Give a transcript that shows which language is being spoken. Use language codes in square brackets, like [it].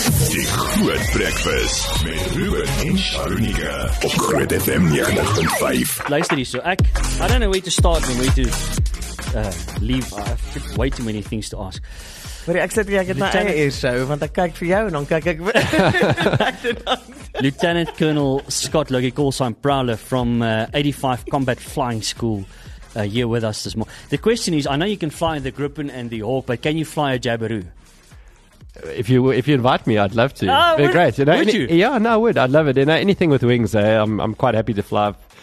[af] Die Groot Breakfast met Ruben en Sharunika op Groot FM 95. Luister hierso, ek, [en] I don't know where to start and where to leave. I have way too many things to ask. [af] Maar ek sê jy het nou eie eerso, want ek kyk vir jou en dan kyk ek vir [en] Lieutenant Colonel Scott Logie, call sign Prowler from 85 Combat Flying School, here with us this morning. The question is, I know you can fly the Gripen and the Hawk, but can you fly a Jabiru? If you invite me, I'd love to. Oh, it'd be great. You know, would you? Yeah, no, I would. I'd love it. You know, anything with wings, I'm quite happy to fly.